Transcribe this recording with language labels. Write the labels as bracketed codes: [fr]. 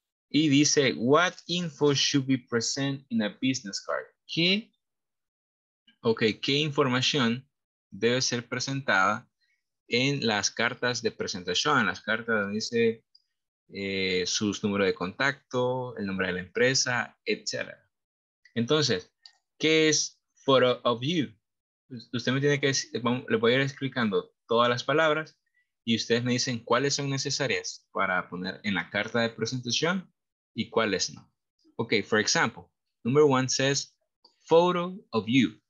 [es] Y dice, [en] what info should be present in a business card? [es] ¿Qué? Okay. ¿Qué información debe ser presentada en las cartas de presentación? En las cartas donde dice, sus números de contacto, el nombre de la empresa, etc. Entonces, ¿qué es [en] photo of you? [es] Usted me tiene que decir, le voy a ir explicando todas las palabras y ustedes me dicen cuáles son necesarias para poner en la carta de presentación y cuáles no. [en] Ok, for example, number one says photo of you.